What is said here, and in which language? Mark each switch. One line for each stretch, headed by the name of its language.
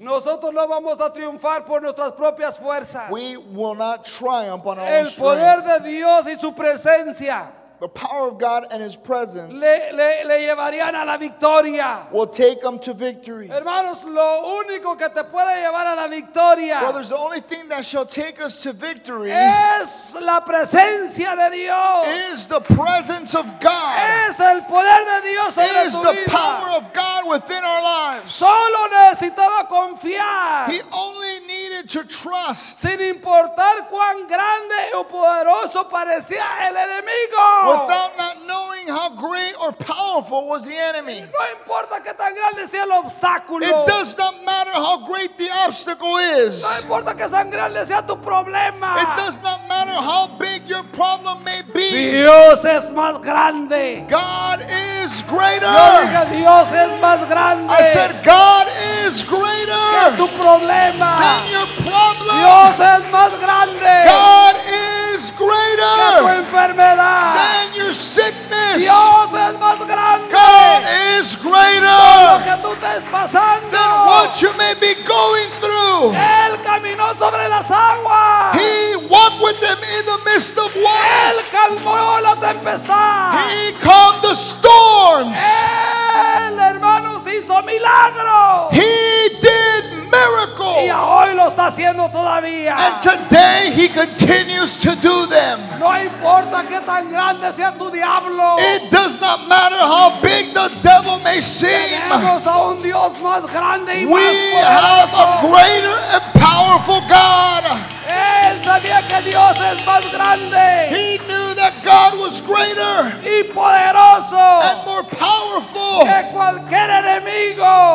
Spanish: Nosotros no vamos a triunfar por nuestras propias fuerzas.
English: We will not triumph on our own
Spanish: strength. El poder de Dios y su presencia.
English: The power of God and his presence
Spanish: le llevarían a la victoria.
English: Will take them to victory.
Spanish: Hermanos, lo único que te puede llevar a la victoria.
English: Brothers, the only thing that shall take us to victory
Spanish: es la presencia de Dios.
English: Is the presence of God.
Spanish: Es el poder de Dios sobre tu vida.
English: Is the power of God within our lives.
Spanish: Solo necesitaba confiar.
English: He only needed to trust.
Spanish: Sin importar cuán grande o poderoso parecía el enemigo.
English: Without not knowing how great or powerful was the enemy.
Spanish: No importa que tan grande sea el obstáculo.
English: It does not matter how great the obstacle is.
Spanish: No importa que tan grande sea tu problema.
English: It does not matter how big your problem may be.
Spanish: Dios es más grande.
English: God is greater.
Spanish: Dios es más grande.
English: I said God is greater
Spanish: que tu problema.
English: Than your problem.
Spanish: Dios es más grande.
English: God is greater
Spanish: que tu enfermedad.
English: Than your sickness.
Spanish: Dios es más grande.
English: God is greater
Spanish: lo que tú estás pasando.
English: Than what you may be going through.
Spanish: Él caminó sobre las aguas.
English: He walked with them in the midst of waters.
Spanish: Él calmó la tempestad.
English: He calmed the storms.
Spanish: Él, hermanos, hizo milagros.
English: He did miracles.
Spanish: Y hoy lo está haciendo todavía.
English: And today he continues to do them.
Spanish: No importa qué tan grande sea tu diablo.
English: It does not matter how big the devil may seem.
Spanish: Tenemos a un Dios más grande y más
English: poderoso. We have a greater and powerful God.
Spanish: Él sabía que Dios es más grande.
English: He knew that God was greater.
Spanish: Y poderoso.
English: And more powerful.
Spanish: Que cualquier enemigo.